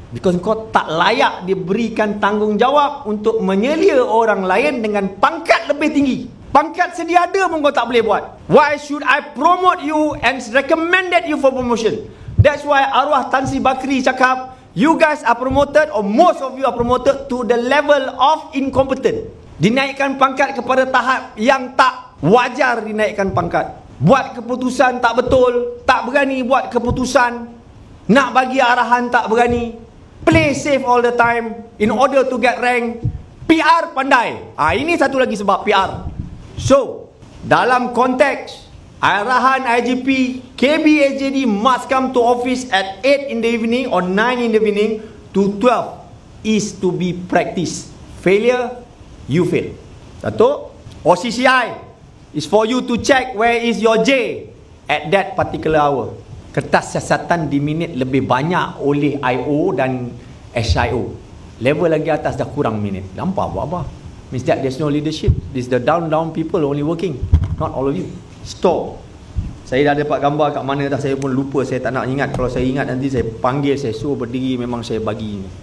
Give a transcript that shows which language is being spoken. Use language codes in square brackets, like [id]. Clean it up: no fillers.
[ms] Because kau tak layak diberikan tanggungjawab untuk menyelia orang lain dengan pangkat lebih tinggi. Pangkat sedia ada pun kau tak boleh buat. [en] Why should I promote you and recommended you for promotion? That's why arwah Tan Sri Bakri cakap, you guys are promoted, or most of you are promoted to the level of incompetent. [ms] Dinaikkan pangkat kepada tahap yang tak wajar dinaikkan pangkat. Buat keputusan tak betul, tak berani buat keputusan. Nak bagi arahan tak berani. [en] Play safe all the time in order to get rank. [ms] PR pandai. Ini satu lagi sebab PR. [en] So, [ms] dalam konteks arahan IGP, [en] KBSJD must come to office at 8 in the evening or 9 in the evening to 12 is to be practiced. Failure, you fail. Datuk, OCCI is for you to check where is your J at that particular hour. [ms] Kertas siasatan diminit lebih banyak oleh IO dan SIO. Level lagi atas dah kurang minit. Nampak buat apa? [en] Means that there's no leadership. This the down people only working. Not all of you. Stop. [ms] Saya dah dapat gambar kat mana dah, saya pun lupa. Saya tak nak ingat. Kalau saya ingat nanti saya panggil, saya suruh berdiri, memang saya bagi ini.